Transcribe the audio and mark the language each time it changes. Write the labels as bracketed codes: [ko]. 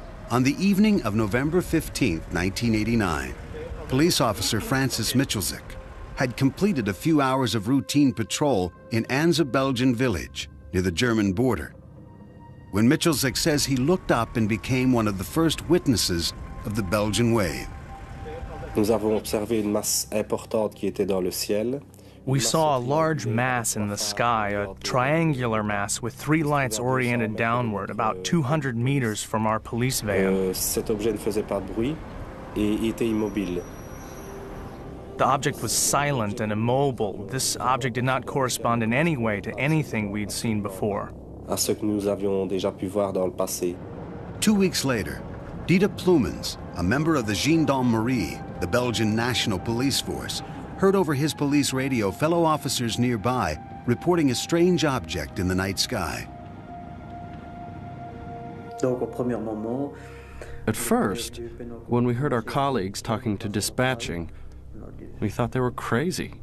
[en] On the evening of November 15, 1989, police officer Francis Michelczyk had completed a few hours of routine patrol in Anza, Belgian village near the German border, when Michelczyk says he looked up and became one of the first witnesses of the Belgian wave. [fr] Nous avons observé une masse importante qui était dans le ciel. [en] We saw a large mass in the sky, a triangular mass with three lights oriented downward, about 200 meters from our police van. [fr] Cet objet ne faisait pas de bruit et était immobile. [en] The object was silent and immobile. This object did not correspond in any way to anything we'd seen before. [fr] À ce que nous avions déjà pu voir dans le passé. [en] 2 weeks later, Dieter Ploumens, a member of the Gendarmerie, the Belgian National Police Force, heard over his police radio fellow officers nearby reporting a strange object in the night sky. At first, when we heard our colleagues talking to dispatching, we thought they were crazy.